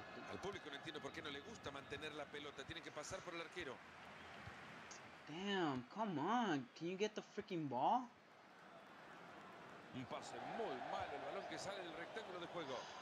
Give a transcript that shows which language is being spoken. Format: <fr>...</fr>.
<es>al público no entiendo por qué no le gusta mantener la pelota, tiene que pasar por el arquero.</es> <en>Damn, come on, can you get the freaking ball?</en> <es>Un pase muy mal, el balón que sale del rectángulo de juego.</es>